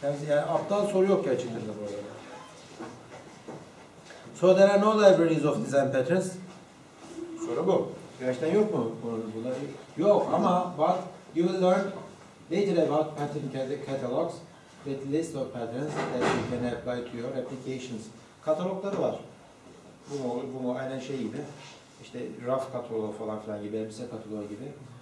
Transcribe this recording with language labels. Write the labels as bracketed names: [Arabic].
[Turkish] Yani aptal soru yok gerçekten de bu arada. [English] So there are no libraries of design patterns. [Turkish] Soru bu. Gerçekten yok mu bunlar? Yok ama [English] but you will learn later about pattern catalogs with list of patterns that you can apply to your applications. [Turkish] Katalogları var. Bu mu aynen şey gibi. İşte raf kataloğu falan filan gibi, elbise kataloğu gibi.